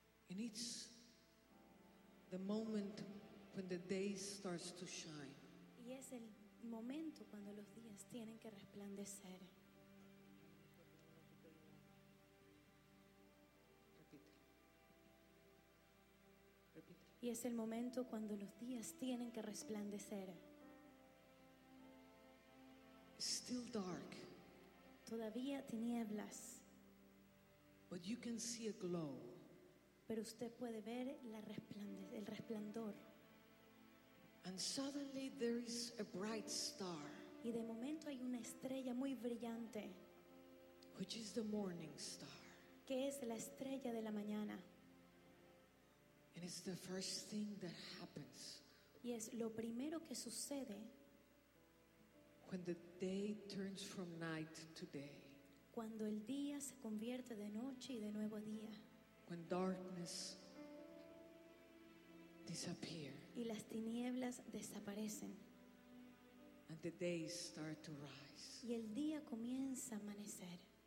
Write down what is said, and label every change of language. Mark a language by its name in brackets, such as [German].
[English] And it's the moment when the day starts to shine. [Spanish] Y es el momento cuando los días tienen que resplandecer. Y es el momento cuando los días tienen que resplandecer. [English] Still dark. [Spanish] Todavía tinieblas. [English] But you can see a glow. [Spanish] Pero usted puede ver la el resplandor. [English] And suddenly there is a bright star. [Spanish] Y de momento hay una estrella muy brillante. [English] Which is the morning star. [Spanish] Que es la estrella de la mañana. [English] And it's the first thing that happens. [Spanish] Y es lo primero que sucede. [English] When the day turns from night to day. [Spanish] Cuando el día se convierte de noche y de nuevo día. [English] When darkness disappears. [Spanish] Y las tinieblas desaparecen. [English] And the days start to rise. [Spanish] Y el día comienza a amanecer.